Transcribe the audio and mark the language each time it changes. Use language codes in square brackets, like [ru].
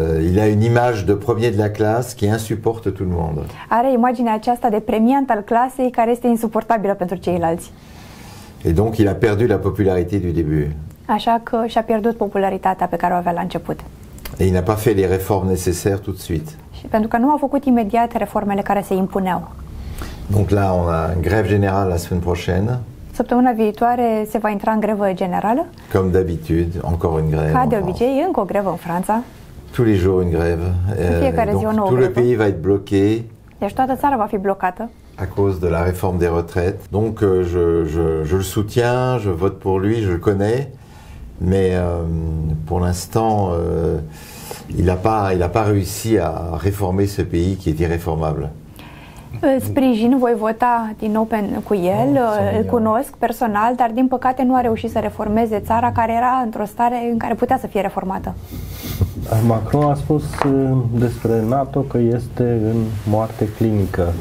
[fr] Il a une image de premier de la classe qui insupporte tout le monde. [ro] Are imaginea aceasta de premiant al clasei care este insuportabilă pentru ceilalți. [fr] Et donc il a perdu la popularité du début. [ro] Așa că și-a pierdut popularitatea pe care o avea la început. [fr] Et il n'a pas fait les réformes nécessaires tout de suite. [ro] Și pentru că nu a făcut imediat reformele care se impuneau. [fr] Donc là on a une grève générale la semaine prochaine. [ro] Săptămâna viitoare se va intra în grevă generală. [fr] Comme d'habitude, encore une grève. [ro] Ca de obicei, încă o grevă în Franța. [fr] Tous les jours une grève. [ro] Fiecare zi o nouă grevă. [fr] Tout le pays va être bloqué. [ro] Deci toată țara va fi blocată. [fr] À cause de la réforme des retraites. Donc je le soutiens, je vote pour lui, je le connais, mais pour l'instant il a pas réussi à réformer ce pays qui est irréformable. [ro] Îl sprijin, voi vota din nou cu el, îl cunosc personal, dar din păcate nu a reușit să reformeze țara care era într-o stare în care putea să fie reformată. Macron a spus despre NATO că este în moarte clinică.